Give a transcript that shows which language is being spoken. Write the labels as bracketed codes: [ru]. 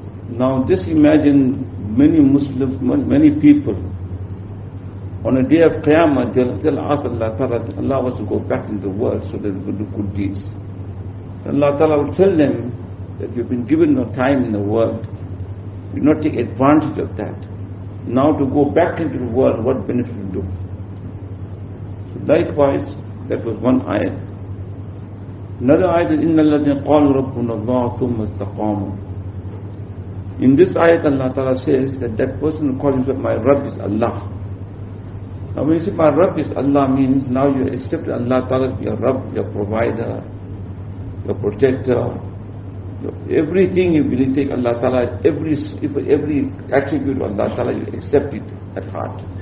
[en] Now just imagine many Muslims, many people, on a day of Qiyamah, they'll ask Allah Ta'ala that Allah wants to go back into the world so that we can do good deeds. Allah Ta'ala will tell them that you've been given no time in the world. You not take advantage of that. Now to go back into the world, what benefit will you do? So likewise, that was one ayat. Another ayat is, [ar] إِنَّ الَّذِينَ قَالُوا رَبُّنَ اللَّهُ ثُمَّ اسْتَقَامُوا. [en] In this ayat, Allah Ta'ala says that person who calls himself, my Rabb is Allah. Now when you say, my Rabb is Allah, means now you accept Allah Ta'ala to be your Rabb, your provider, your protector. Everything you believe, take Allah Ta'ala, every attribute of Allah Ta'ala, you accept it at heart.